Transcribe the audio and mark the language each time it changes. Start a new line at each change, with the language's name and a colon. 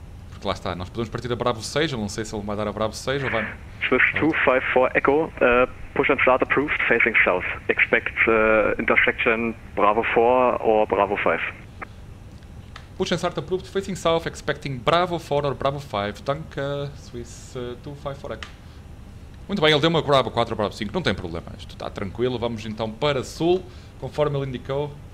Portuguese: Porque lá está, nós podemos partir a Bravo 6, eu não sei se ele vai dar a Bravo 6 ou vai...
English: Swiss 254 Echo, push and start approved, facing south. Expect intersection Bravo 4 or Bravo 5. Push and start approved, facing south, expecting Bravo 4 or Bravo 5. Danke, Swiss 254 Echo.
Portuguese: Muito bem, ele deu uma Bravo 4 ou Bravo 5, não tem problema, isto está tranquilo. Vamos então para sul, conforme ele indicou.